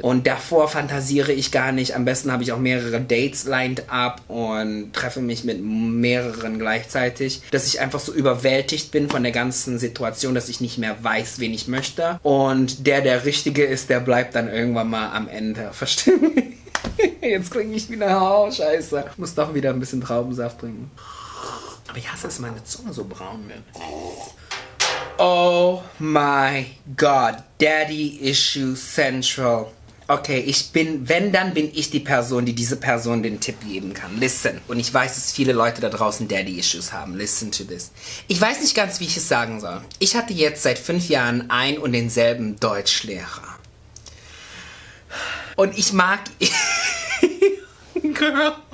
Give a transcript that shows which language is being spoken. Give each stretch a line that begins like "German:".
German: Und davor fantasiere ich gar nicht. Am besten habe ich auch mehrere Dates
English: lined up
German: und treffe mich mit mehreren gleichzeitig, dass ich einfach so überwältigt bin von der ganzen Situation, dass ich nicht mehr weiß, wen ich möchte. Und der Richtige ist, der bleibt dann irgendwann mal am Ende. Versteh mich. Jetzt klinge ich wieder, oh scheiße. Muss doch wieder ein bisschen Traubensaft trinken. Aber ich hasse, dass meine Zunge so braun wird.
English: Oh my god, Daddy Issue Central.
German: Okay, ich bin, wenn, dann bin ich die Person, die diese Person den Tipp geben kann.
English: Listen.
German: Und ich weiß, dass viele Leute da draußen Daddy-Issues haben.
English: Listen to this.
German: Ich weiß nicht ganz, wie ich es sagen soll. Ich hatte jetzt seit 5 Jahren ein und denselben Deutschlehrer. Und ich mag...
English: Girl.